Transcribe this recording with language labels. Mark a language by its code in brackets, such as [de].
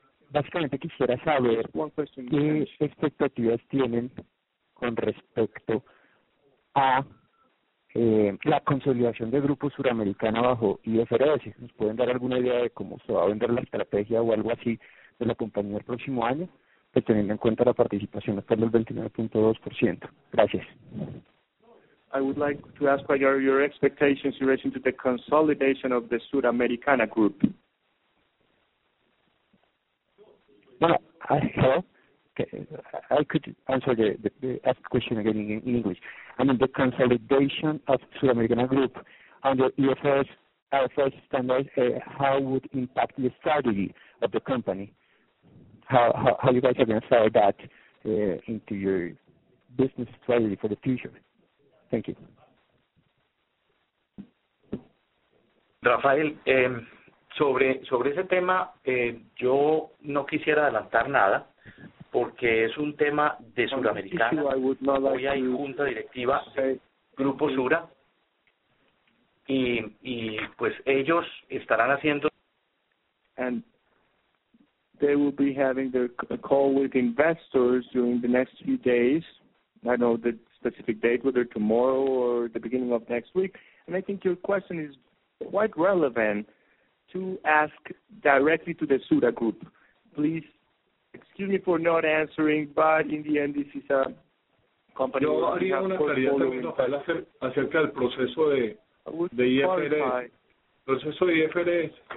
[es] Básicamente quisiera saber qué expectativas tienen con respecto a la consolidación de Grupo Suramericana bajo IFRS. ¿Nos pueden dar alguna idea de cómo se va a vender la estrategia o algo así de la compañía el próximo año, pues teniendo en cuenta la participación hasta el 29.2%? Gracias. [en] I would like to ask what are your expectations in relation to the consolidation of the Suramericana Group. Well, I could answer the ask question again in English. I mean, the consolidation of Suramericana Group under IFRS standards, how would impact the strategy of the company? How you guys are going to start that into your business strategy for the future? Thank you. [es] Rafael, sobre ese tema, yo no quisiera adelantar nada porque es un tema de Suramericana. Hoy hay junta directiva, Grupo Sura, y pues ellos estarán haciendo. [en] And they will be having their call with investors during the next few days. I know the specific date, whether tomorrow or the beginning of next week. And I think your question is quite relevant to ask directly to the Sura Group. Please excuse me for not answering, but in the end, this is a company. [es] Yo haría una claridad también, Rafael, acerca del proceso de IFRS.